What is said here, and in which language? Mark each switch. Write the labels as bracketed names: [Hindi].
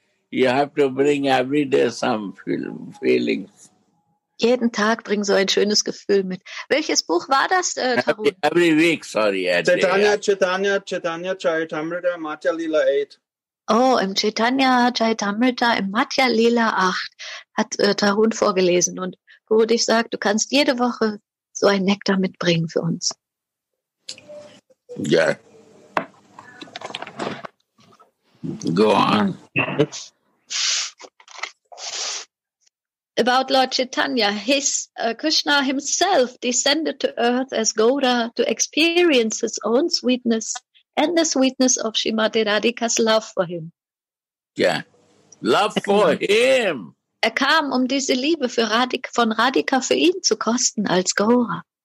[English] You have to bring every day some feelings. [German] Jeden Tag bring so ein schönes Gefühl mit. Welches Buch war das, Tarun? [English] Every week, sorry. Chaitanya Charitamrita, Matya Lila 8. [German] Oh, im Chaitanya Charitamrita, im Matya Lila 8, hat Tarun vorgelesen. Und Gurudev, ich sag, du kannst jede Woche so ein Nektar mitbringen für uns. Ja. [English] Yeah. Go on. About Lord Chaitanya, Krishna himself descended to earth as Gaura to experience his own sweetness and the sweetness of Srimati Radhika's love for him. Yeah, love for him. [German] Er kam, um diese Liebe für Radhika, von Radhika für ihn zu kosten als Gaura.